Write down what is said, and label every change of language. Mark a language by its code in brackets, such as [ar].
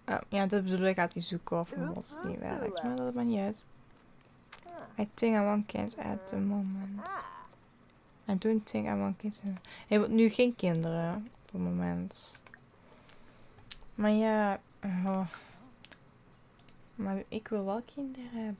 [nl] Dat bedoel ik, gaat hij zoeken of een mod niet werkt. Maar dat maakt niet uit. [en] I think I want kids at the moment. I don't think I want kids. [nl] Hij wil nu geen kinderen op het moment. Maar ja. Maar ik wil wel kinderen.